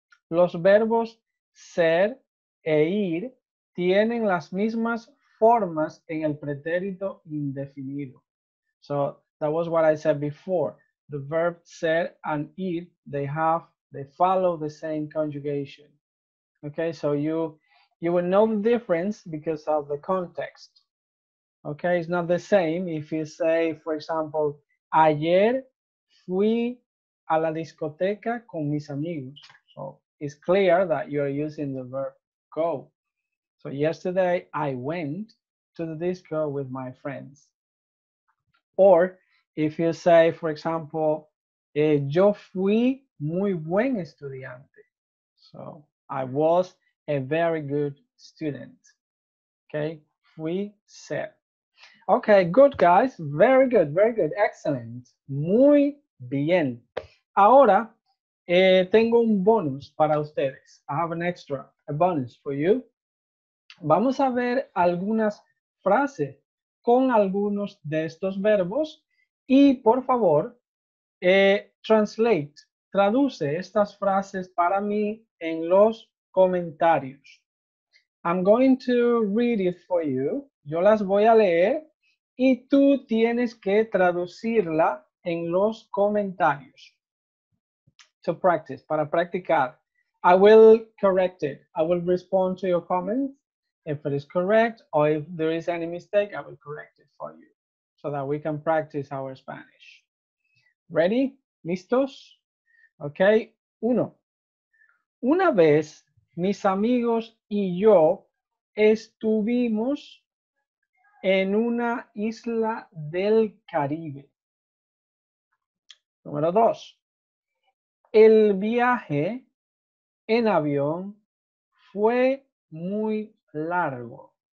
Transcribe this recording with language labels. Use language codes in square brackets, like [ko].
[es] Los verbos ser e ir tienen las mismas formas en el pretérito indefinido. [en] So that was what I said before. The verb ser and ir, they follow the same conjugation. Okay, so you will know the difference because of the context. Okay, it's not the same if you say, for example, [es] ayer fui a la discoteca con mis amigos. [en] So it's clear that you're using the verb go. So yesterday I went to the disco with my friends. Or if you say, for example, [es] yo fui muy buen estudiante. [en] So I was a very good student. Okay, we said. Okay, good guys. Very good, very good. Excellent. [es] Muy bien. Ahora, tengo un bonus para ustedes. [en] I have an extra, a bonus for you. [es] Vamos a ver algunas frases con algunos de estos verbos. Y por favor, [en] translate, [es] traduce estas frases para mí en los comentarios. [en] I'm going to read it for you. [es] Yo las voy a leer y tú tienes que traducirla en los comentarios. [en] To practice, [es] para practicar. [en] I will correct it. I will respond to your comments. If it is correct or if there is any mistake, I will correct it for you so that we can practice our Spanish. Ready? [es] ¿Listos? [en] Okay. [es] Uno. Una vez, mis amigos y yo estuvimos en una isla del Caribe. Número dos. El viaje en avión fue muy largo.